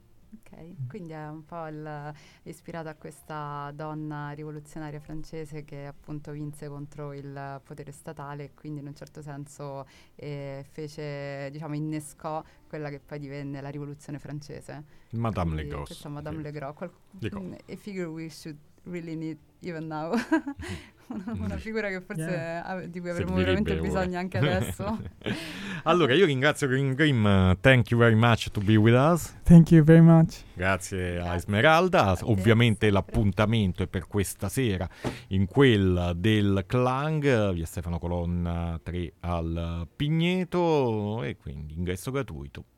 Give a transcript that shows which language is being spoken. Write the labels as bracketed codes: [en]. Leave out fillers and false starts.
[it] Ok, quindi è un po' ispirato a questa donna rivoluzionaria francese che appunto vinse contro il potere statale e quindi in un certo senso fece, diciamo, innescò quella che poi divenne la rivoluzione francese. Madame Le Gros. [en] Questa Madame Le Gros, a figure we should really need even now. [it] Una figura che forse di cui avremo veramente bisogno anche adesso. Allora, io ringrazio Green Grim, thank you very much to be with us. [en] Thank you very much. [it] Grazie a Esmeralda. Ovviamente l'appuntamento è per questa sera in quella del Clang, via Stefano Colonna 3 al Pigneto, e quindi ingresso gratuito.